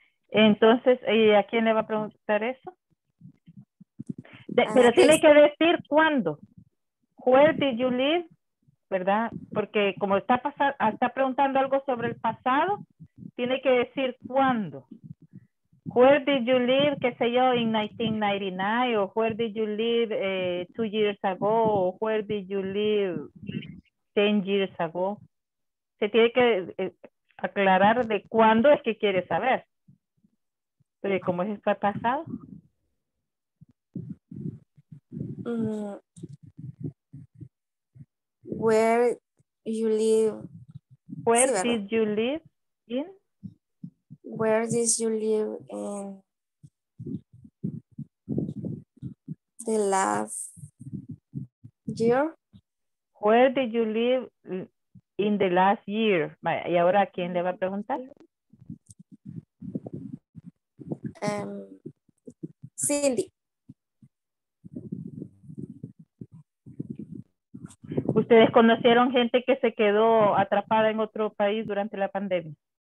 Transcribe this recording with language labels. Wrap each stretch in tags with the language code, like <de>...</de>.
<es>Entonces, ¿y a quién le va a preguntar eso? Pero tiene que decir cuándo.</es> <en>Where did you live?</en> <es>¿Verdad? Porque como está preguntando algo sobre el pasado, tiene que decir cuándo.</es> <en>Where did you live,</en> <es>qué sé yo,</es> <en>in 1999, o where did you live 2 years ago, o where did you live 10 years ago.</en> <es>Se tiene que aclarar de cuándo es que quiere saber. Pero ¿cómo es esto pasado?</es> <en>Where you live? Where sí, did you live in? Where did you live in the last year? Where did you live in the last year?</en> <es>¿Y ahora a quién le va a preguntar? Cindy. ¿Ustedes conocieron gente que se quedó atrapada en otro país durante la pandemia?</es>